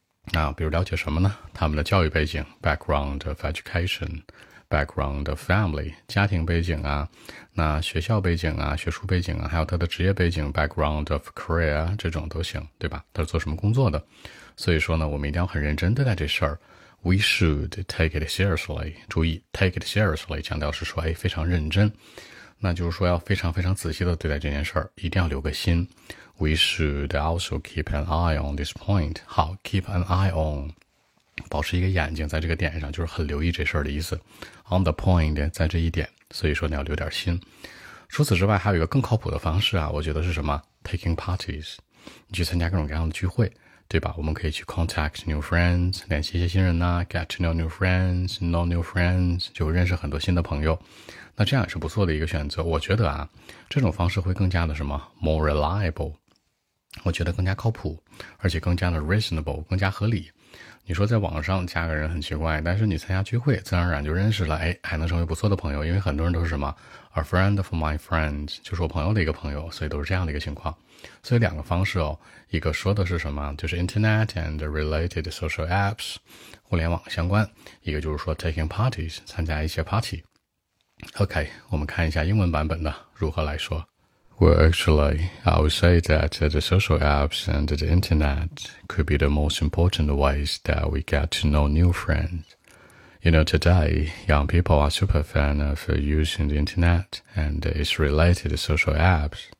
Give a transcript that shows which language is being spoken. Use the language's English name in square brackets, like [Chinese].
[Chinese] 那比如了解什么呢？他们的教育背景 background of education， background of family，家庭背景啊，那学校背景啊，学术背景啊，还有他的职业背景 background of career，这种都行，对吧？他是做什么工作的。所以说呢，我们一定要很认真对待这事儿。 We should take it seriously。注意 ， take it seriously 强调是说，哎，非常认真。那就是说要非常非常仔细的对待这件事儿，一定要留个心。 [English] We should also keep an eye on this point。 [Chinese] 好 ， keep an eye on，保持一个眼睛在这个点上，就是很留意这事儿的意思。 On the point，在这一点，所以说你要留点心。除此之外，还有一个更靠谱的方式啊，我觉得是什么 ？ Taking parties，你去参加各种各样的聚会。对吧？我们可以去 contact new friends，联系一些新人啊， get to know new friends， know new friends，就认识很多新的朋友。那这样也是不错的一个选择。我觉得啊，这种方式会更加的什么 more reliable，我觉得更加靠谱，而且更加的 reasonable， 更加合理。你说在网上加个人很奇怪，但是你参加聚会自然而然就认识了，哎，还能成为不错的朋友。因为很多人都是什么 a friend of my friend，就是我朋友的一个朋友，所以都是这样的一个情况。所以两个方式哦，一个说的是什么，就是 internet and related social apps，互联网相关，一个就是说 taking parties，参加一些 party。 OK， 我们看一下英文版本的如何来说。 [English] Well, actually, I would say that the social apps and the internet could be the most important ways that we get to know new friends. You know, today, young people are super fan of using the internet and its related social apps.